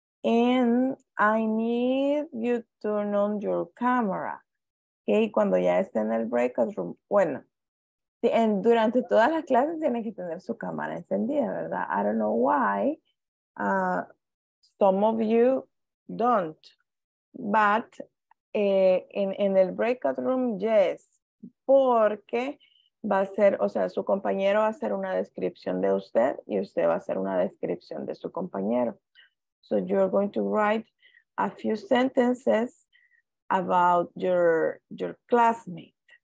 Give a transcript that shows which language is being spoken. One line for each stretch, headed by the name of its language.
English: And I need you to turn on your camera.
Spanish: Ok, cuando ya esté en el breakout room. Bueno, durante todas las clases tiene que tener su cámara encendida, ¿verdad?
English: I don't know why. Some of you don't. But
Spanish: en el
English: breakout room, yes.
Spanish: Porque va a ser, o sea, su compañero va a hacer una descripción de usted y usted va a hacer una descripción de su compañero.
English: So you're going to write a few sentences about your classmate.